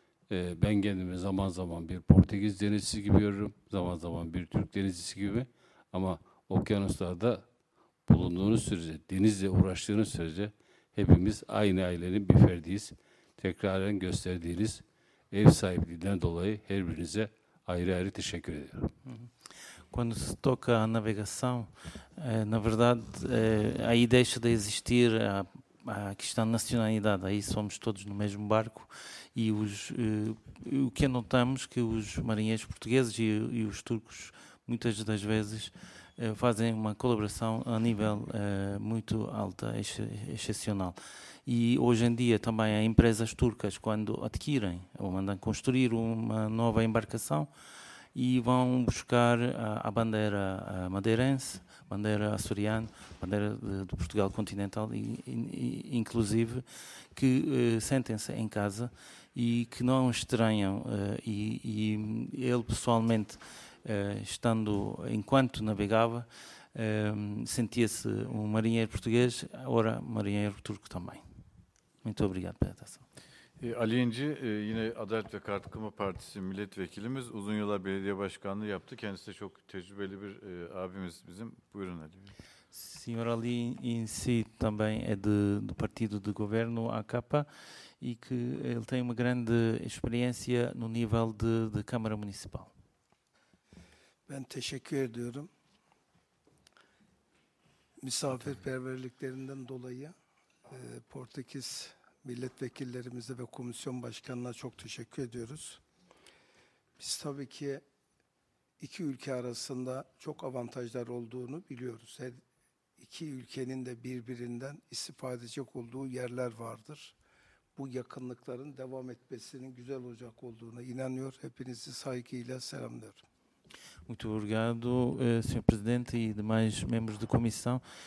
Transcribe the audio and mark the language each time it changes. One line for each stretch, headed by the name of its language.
Turkish: Ben kendimi zaman zaman bir Portekiz denizcisi gibi görürüm, zaman zaman bir Türk denizcisi gibi. Ama okyanuslarda bulunduğunuz sürece, denizle uğraştığınız sürece hepimiz aynı ailenin bir ferdiyiz. Tekraren gösterdiğiniz ev sahipliğinden dolayı her birinize ayrı ayrı teşekkür ediyorum.
Portuguese: Quando se toca a navegação, na verdade, aí deixa de existir a questão da nacionalidade. Aí somos todos no mesmo barco. E o que notamos que os marinheiros portugueses e os turcos, muitas das vezes, fazem uma colaboração a nível muito alta, excepcional. E hoje em dia também as empresas turcas, quando adquirem ou mandam construir uma nova embarcação, e vão buscar a bandeira madeirense, bandeira açoriana, bandeira de Portugal continental, e inclusive que sentem-se em casa e que não estranham. E ele pessoalmente, estando enquanto navegava, sentia-se um marinheiro português, ora marinheiro turco também. Muito obrigado pela atenção.
Turkish: Ali İnci, yine Adalet ve Kalkınma Partisi milletvekilimiz, uzun yıllar belediye başkanlığı yaptı. Kendisi de çok tecrübeli bir abimiz bizim. Buyurun Ali.
Portuguese: Senhor Ali İnci também é do partido de governo AKP e que ele tem uma grande experiência no nível de Câmara Municipal.
Turkish: Ben teşekkür ediyorum. Misafirperverliklerinden dolayı Portekiz milletvekillerimize ve komisyon başkanına çok teşekkür ediyoruz. Biz tabii ki iki ülke arasında çok avantajlar olduğunu biliyoruz. Her iki ülkenin de birbirinden istifade edecek olduğu yerler vardır. Bu yakınlıkların devam etmesinin güzel olacak olduğuna inanıyor. Hepinizi saygıyla selamlıyorum.
Portuguese: Muito obrigado, Sr. Presidente e demais membros da comissão.